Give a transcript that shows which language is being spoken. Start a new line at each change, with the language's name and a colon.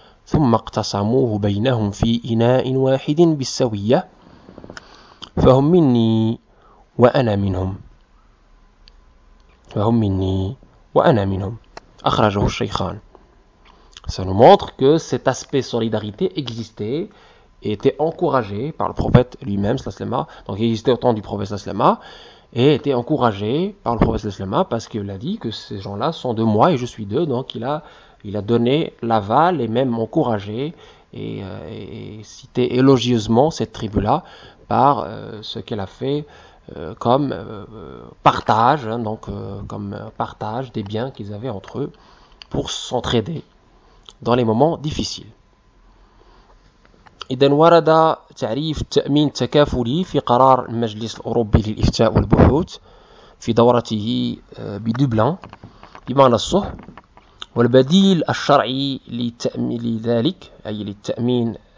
Arabic: ثم اقتسموه بينهم في إناء واحد بالسوية فهم مني وأنا منهم فهم مني وأنا منهم أخرجه الشيخان.
French: Ça nous montre que cet aspect solidarité existait et était encouragé par le prophète lui-même, Slaslema, donc il existait au temps du prophète Slaslema, et était encouragé par le prophète Slaslema parce qu'il a dit que ces gens-là sont de moi et je suis d'eux, donc il a donné l'aval et même encouragé et cité élogieusement cette tribu-là par ce qu'elle a fait comme partage, hein, donc comme partage des biens qu'ils avaient entre eux pour s'entraider dans les moments difficiles.
Arabic: إذا ورد تعريف التأمين التكافلي في قرار المجلس الأوروبي للإفتاء والبحوث في دورته بدبلن بمعنى الصح، والبديل الشرعي لذلك أي للتأمين